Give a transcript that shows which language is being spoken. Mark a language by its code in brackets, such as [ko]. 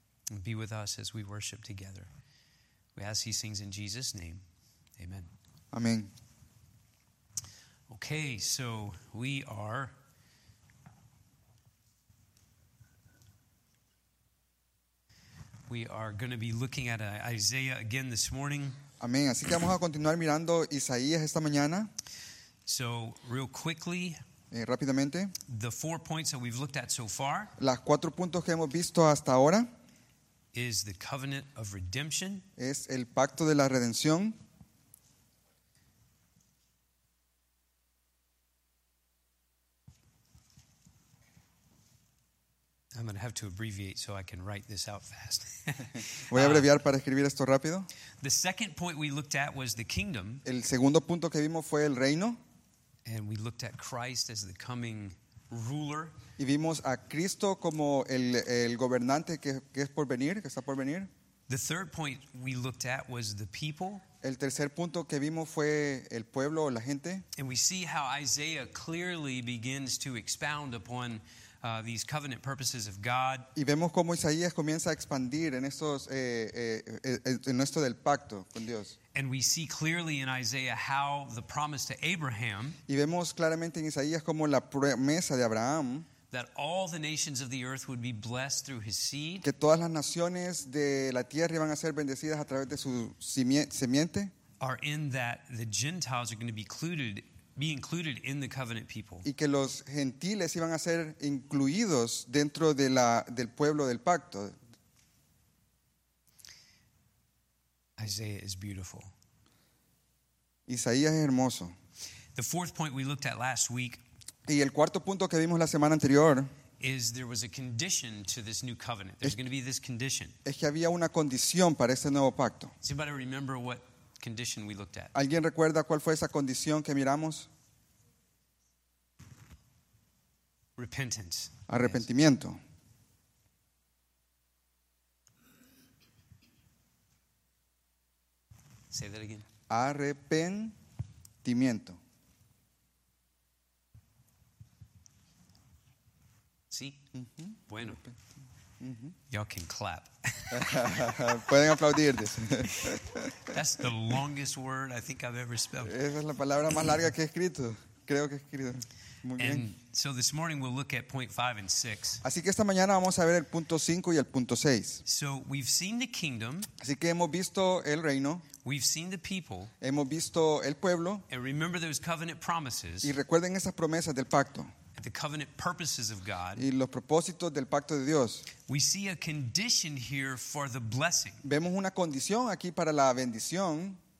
[en] And be with us as we worship together. We ask these things in Jesus' name. Amen. Amen. Okay, so we are going to be looking at Isaiah again this morning. [es] Amén. Así que vamos a continuar mirando Isaías esta mañana. [en] So, real quickly, [es] rápidamente, [en] the 4 points that we've looked at so far, [es] las 4 puntos que hemos visto hasta ahora, [en] is the covenant of redemption, [es] es el pacto de la redención. [en] I'm going to have to abbreviate so I can write this out fast. [es] Voy a abreviar para escribir esto rápido. [en] The second point we looked at was the kingdom. [es] El segundo punto que vimos fue el reino. [en] And we looked at Christ as the coming ruler. [es] Y vimos a Cristo como el gobernante que es por venir, que está por venir. [en] The third point we looked at was the people. [es] El tercer punto que vimos fue el pueblo o la gente. [en] And we see how Isaiah clearly begins to expound upon these covenant purposes of God. [es] Y vemos cómo Isaías comienza a expandir en estos en esto del pacto con Dios. [en] And we see clearly in Isaiah how the promise to Abraham. [es] Y vemos claramente en Isaías cómo la promesa de Abraham. [en] That all the nations of the earth would be blessed through his seed. [es] Que todas las naciones de la tierra iban a ser bendecidas a través de su simiente. [en] Are in that the Gentiles are going to be included. Be included in the covenant people. [es] Y que los gentiles iban a ser incluidos dentro de del pueblo del pacto. [en] Isaiah is beautiful. [es] Isaías es hermoso. [en] The fourth point we looked at last week. [es] Y el cuarto punto que vimos la semana anterior. [en] Is there was a condition to this new covenant. There's going to be this condition. [es] Es que había una condición para este nuevo pacto. [en] Does anybody remember what condition we looked at? [es] ¿Alguien recuerda cuál fue esa condición que miramos? [en] Repentance. [es] Arrepentimiento. [en] Yes. Say that again. [es] Arrepentimiento. Sí. [en] Mm-hmm. [es] Bueno. [en] Mm-hmm. Y'all can clap. [es] Pueden aplaudir. [en] That's the longest word I think I've ever spelled. [es] Esa es la palabra más larga que he escrito. Creo que he escrito. Muy bien. [en] And so this morning we'll look at point 5 and 6. [es] Así que esta mañana vamos a ver el punto 5 y el punto 6. [en] So we've seen the kingdom. [es] Así que hemos visto el reino. [en] We've seen the people. [es] Hemos visto el pueblo. [en] And remember those covenant promises. [es] Y recuerden esas promesas del pacto. [en] The covenant purposes of God. [es] Y los propósitos del pacto de Dios. [en] We see a condition here for the blessing. [es] Vemos una condición aquí para la bendición.